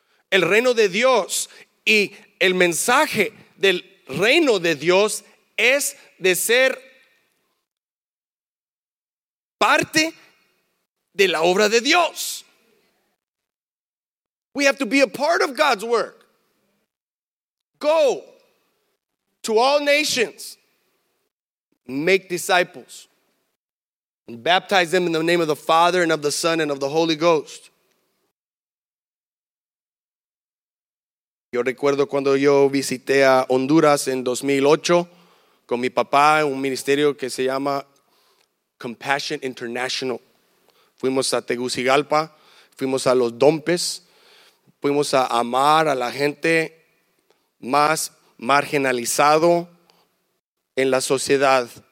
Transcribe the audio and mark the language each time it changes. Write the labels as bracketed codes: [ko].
[es] El reino de Dios y el mensaje del reino de Dios es de ser parte de la obra de Dios. [en] We have to be a part of God's work. Go to all nations, make disciples, and baptize them in the name of the Father and of the Son and of the Holy Ghost. [es] Yo recuerdo cuando yo visité a Honduras en 2008 con mi papá en un ministerio que se llama Compassion International. Fuimos a Tegucigalpa, fuimos a Los Dompes, fuimos a amar a la gente más marginalizado en la sociedad.